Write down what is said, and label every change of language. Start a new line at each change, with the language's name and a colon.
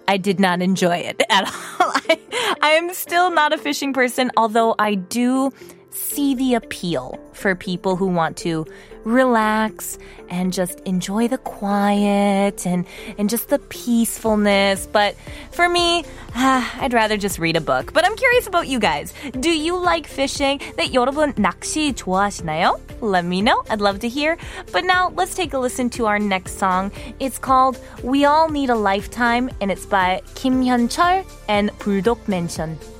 English: I did not enjoy it at all. I am still not a fishing person, although I do see the appeal for people who want to relax and just enjoy the quiet and just the peacefulness. But for me, I'd rather just read a book. But I'm curious about you guys. Do you like fishing?
Korean: 네, 여러분 낚시 좋아하시나요?
English: Let me know. I'd love to hear. But now let's take a listen to our next song. It's called We All Need a Lifetime, and it's by Kim Hyun-chul and 불독 Mansion.